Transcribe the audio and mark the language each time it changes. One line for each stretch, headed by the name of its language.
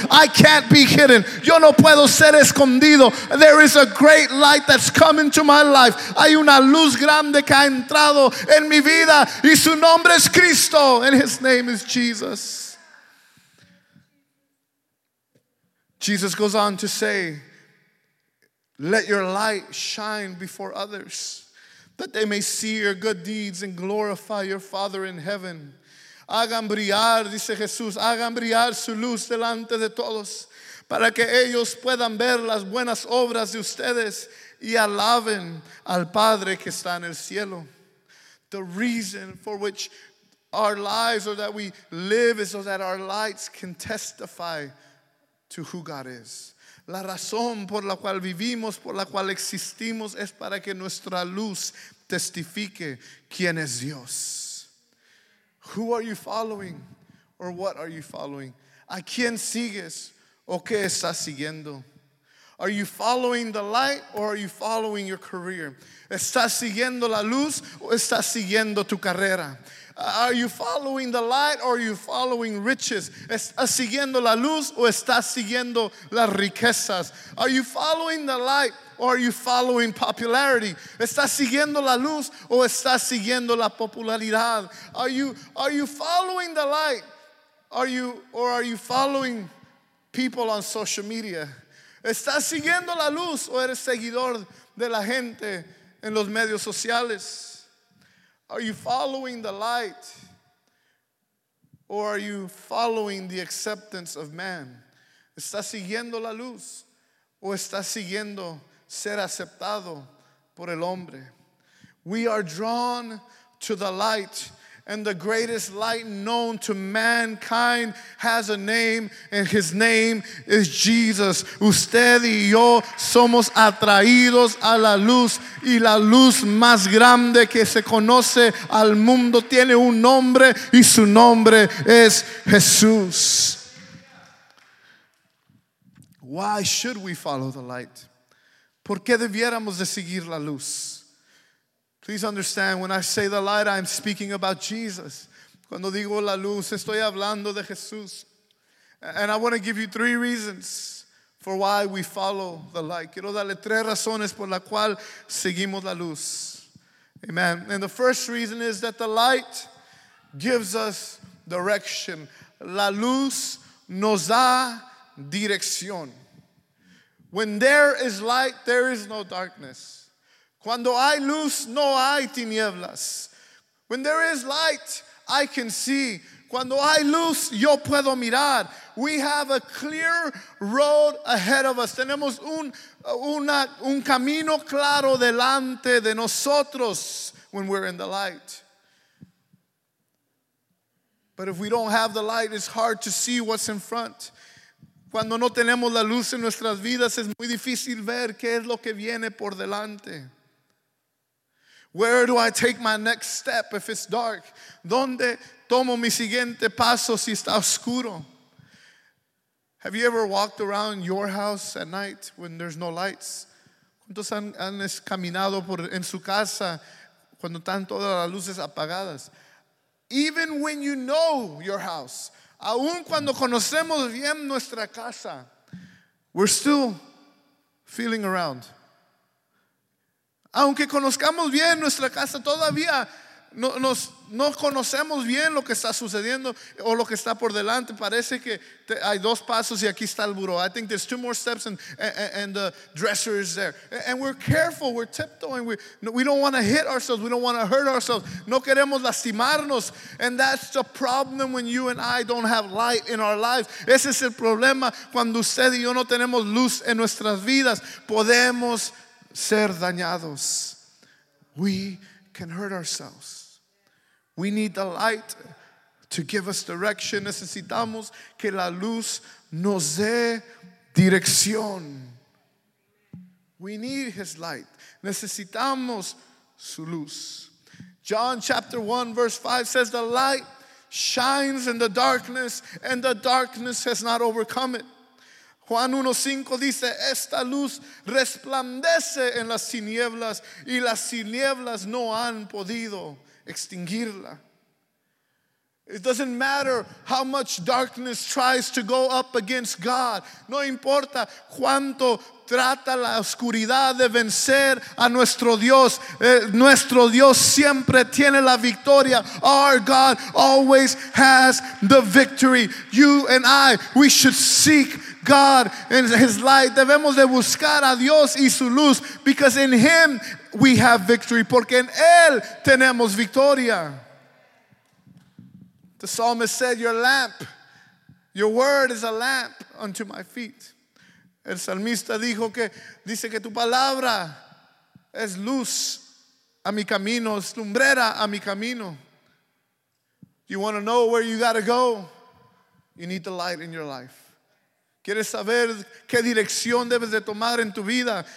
English: I can't be hidden.
Spanish: Yo no puedo ser escondido.
English: There is a great light that's come into my life.
Spanish: Hay una luz grande que ha entrado en mi vida. Y su nombre es Cristo.
English: And his name is Jesus. Jesus goes on to say, let your light shine before others, that they may see your good deeds and glorify your Father in heaven.
Spanish: Hagan brillar, dice Jesús, hagan brillar su luz delante de todos, para que ellos puedan ver las buenas obras de ustedes y alaben al Padre que está en el cielo.
English: The reason for which our lives or that we live is so that our lights can testify to who God is.
Spanish: La razón por la cual vivimos, por la cual existimos, es para que nuestra luz testifique quién es Dios.
English: Who are you following? Or what are you following?
Spanish: ¿A quién sigues? ¿O qué estás siguiendo?
English: Are you following the light or are you following your career?
Spanish: ¿Estás siguiendo la luz o estás siguiendo tu carrera?
English: Are you following the light or are you following riches?
Spanish: ¿Estás siguiendo la luz o estás siguiendo las riquezas?
English: Are you following the light or are you following popularity?
Spanish: ¿Estás siguiendo la luz o estás siguiendo la popularidad?
English: Are you following the light? Are you following people on social media?
Spanish: ¿Estás siguiendo la luz o eres seguidor de la gente en los medios sociales?
English: Are you following the light or are you following the acceptance of man?
Spanish: ¿Estás siguiendo la luz o estás siguiendo ser aceptado por el hombre?
English: We are drawn to the light, and the greatest light known to mankind has a name, and his name is Jesus.
Spanish: Usted y yo somos atraídos a la luz, y la luz más grande que se conoce al mundo tiene un nombre, y su nombre es Jesús.
English: Why should we follow the light?
Spanish: ¿Por qué debiéramos de seguir la luz?
English: Please understand, when I say the light, I'm speaking about Jesus.
Spanish: Cuando digo la luz, estoy hablando de Jesús.
English: And I want to give you three reasons for why we follow the light.
Spanish: Quiero darle tres razones por la cual seguimos la luz.
English: Amen. And the first reason is that the light gives us direction.
Spanish: La luz nos da dirección.
English: When there is light, there is no darkness.
Spanish: Cuando hay luz, no hay tinieblas.
English: When there is light, I can see.
Spanish: Cuando hay luz, yo puedo mirar.
English: We have a clear road ahead of us.
Spanish: Tenemos un camino claro delante de nosotros
English: when we're in the light. But if we don't have the light, it's hard to see what's in front.
Spanish: Cuando no tenemos la luz en nuestras vidas, es muy difícil ver qué es lo que viene por delante.
English: Where do I take my next step if it's dark?
Spanish: ¿Dónde tomo mi siguiente paso si está oscuro?
English: Have you ever walked around your house at night when there's no lights?
Spanish: ¿Cuántos han caminado por en su casa cuando están todas las luces apagadas?
English: Even when you know your house,
Spanish: aun cuando conocemos bien nuestra casa,
English: we're still feeling around.
Spanish: Aunque conozcamos bien nuestra casa, todavía no conocemos bien lo que está sucediendo o lo que está por delante. Parece que hay dos pasos y aquí está el buró.
English: I think there's two more steps and the dresser is there. And we're careful, we're tiptoeing. We don't want to hit ourselves, we don't want to hurt ourselves.
Spanish: No queremos lastimarnos.
English: And that's the problem when you and I don't have light in our lives.
Spanish: Ese es el problema cuando usted y yo no tenemos luz en nuestras vidas. Podemos ser dañados.
English: We can hurt ourselves. We need the light to give us direction.
Spanish: Necesitamos que la luz nos dé dirección.
English: We need his light.
Spanish: Necesitamos su luz.
English: John chapter 1, verse 5 says, the light shines in the darkness, and the darkness has not overcome it.
Spanish: Juan 1:5 dice, esta luz resplandece en las tinieblas, y las tinieblas no han podido extinguirla.
English: It doesn't matter how much darkness tries to go up against God.
Spanish: No importa cuánto trata la oscuridad de vencer a nuestro Dios. Nuestro Dios siempre tiene la victoria.
English: Our God always has the victory. You and I, we should seek God and His light.
Spanish: Debemos de buscar a Dios y su luz,
English: because in Him we have victory.
Spanish: Porque en Él tenemos victoria.
English: The psalmist said, your lamp, your word is a lamp unto my feet.
Spanish: El salmista dijo que, dice que tu palabra es luz a mi camino, es lumbrera a mi camino.
English: You want to know where you got to go? You need the light in your life.
Spanish: ¿Quieres saber qué dirección debes de tomar en tu vida?